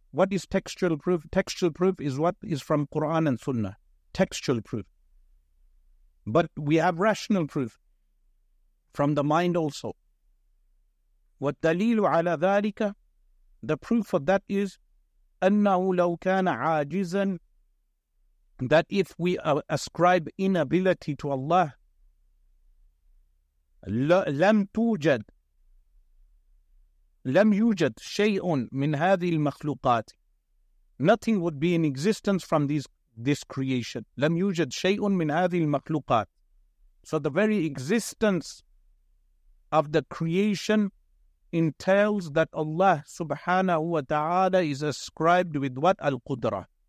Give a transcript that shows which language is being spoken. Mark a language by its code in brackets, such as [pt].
[en] What is textual proof? Textual proof is what is from Quran and Sunnah. Textual proof. But we have rational proof from the mind also. [ar] وَالدَّلِيلُ عَلَى ذَلِكَ. [en] The proof of that is [ar] أَنَّهُ لَوْ كَانَ عَاجِزًا. [en] That if we ascribe inability to Allah, [ar] لَمْ تُوجَدْ لَمْ يُوجَدْ شَيْءٌ مِنْ هَذِهِ الْمَخْلُوقَاتِ. [en] Nothing would be in existence from this creation. [ar] لَمْ يُوجَدْ شَيْءٌ مِنْ هَذِهِ الْمَخْلُوقَاتِ. [en] So the very existence of the creation entails that Allah subhanahu wa ta'ala is ascribed with what? Al-Qudra.